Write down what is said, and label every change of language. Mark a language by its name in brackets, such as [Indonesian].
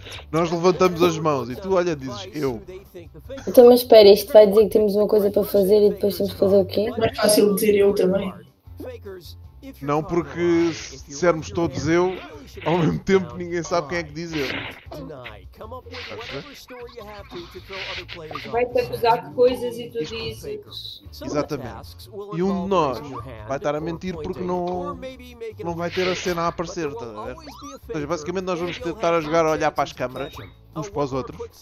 [Portuguese] Nós levantamos as mãos e tu olha, dizes, eu. Então, mas espera, isto vai dizer que temos uma coisa para fazer e depois temos que fazer o quê? Mais fácil dizer eu também. Não, porque se dissermos todos eu, ao mesmo tempo ninguém sabe quem é que diz eu. [English] Come up with whatever story you have to throw other players on. [Portuguese] Vai-te acusar de coisas e tu dizes. Exatamente. E um de nós vai estar a mentir porque não vai ter a cena a aparecer. Tá? Então, basicamente nós vamos tentar a jogar a olhar para as câmaras, uns para os outros.